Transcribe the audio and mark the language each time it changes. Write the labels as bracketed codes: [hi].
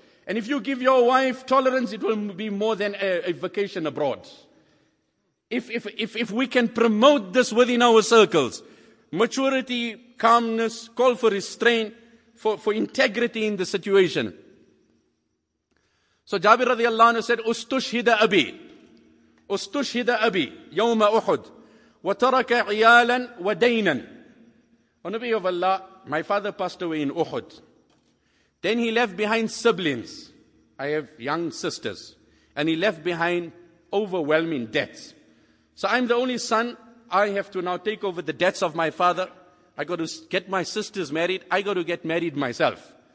[en] And if you give your wife tolerance, it will be more than a vacation abroad. If we can promote this within our circles, maturity, calmness, call for restraint, for integrity in the situation. So Jabir radiallahu anhu said, [ar] "Ustushhida abi." أستشهد أبي يوم أحد وترك عيالا ودينا. [en] O Nabi of Allah, my father passed away in Uhud. Then he left behind siblings. I have young sisters. And he left behind overwhelming debts. So I'm the only son. I have to now take over the debts of my father. I got to get my sisters married. I got to get married myself.